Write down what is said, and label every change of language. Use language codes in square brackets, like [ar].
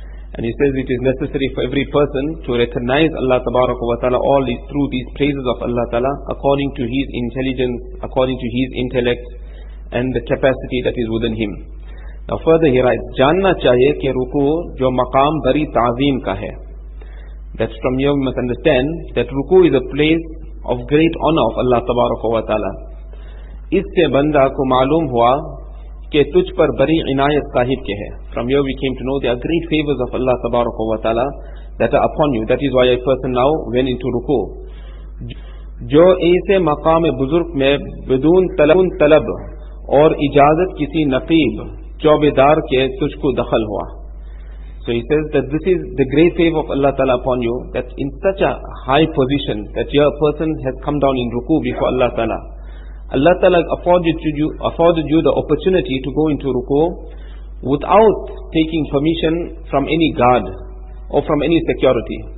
[en] And he says it is necessary for every person to recognize Allah Tabaraka wa Ta'ala all these, through these praises of Allah Ta'ala, according to his intelligence, according to his intellect, and the capacity that is within him. Now further he writes, [ur] Janna chahiye ke ruku jo maqam bari ta'zeem ka hai. [en] That's from here we must understand that ruku is a place of great honor of Allah Tabaraka wa Ta'ala. [ur] اس سے بندہ کو معلوم ہوا کہ تجھ پر بری عنایت صاحب کے ہے. [en] From here we came to know there are great favors of Allah تبارک و تعالی that are upon you. That is why a person now went into ruku. [ur] جو ایسے مقام بزرگ میں بدون طلب اور اجازت کسی نقیب چوبیدار کے تجھ کو دخل ہوا. [en] So he says that this is the great favor of Allah تعالی upon you, that in such a high position that your person has come down in ruku before Allah تعالی. Allah Ta'ala afforded you the opportunity to go into ruku without taking permission from any guard or from any security.